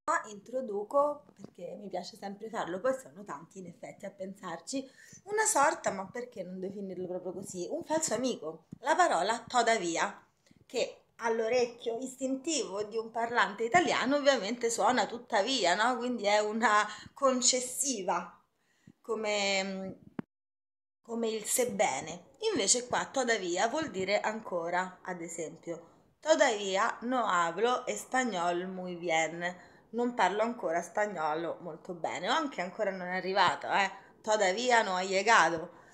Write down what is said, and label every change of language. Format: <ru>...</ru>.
<it>Introduco, perché mi piace sempre farlo, poi sono tanti in effetti a pensarci, una sorta, ma perché non definirlo proprio così, un falso amico, la parola todavia, che all'orecchio istintivo di un parlante italiano ovviamente suona tuttavia, no? Quindi è una concessiva, come il sebbene. Invece qua todavia vuol dire ancora, ad esempio,</it> <es>todavía no hablo español muy bien.</es> <it>Non parlo ancora spagnolo molto bene, o anche ancora non è arrivato,</it> <es>todavía no ha llegado.</es>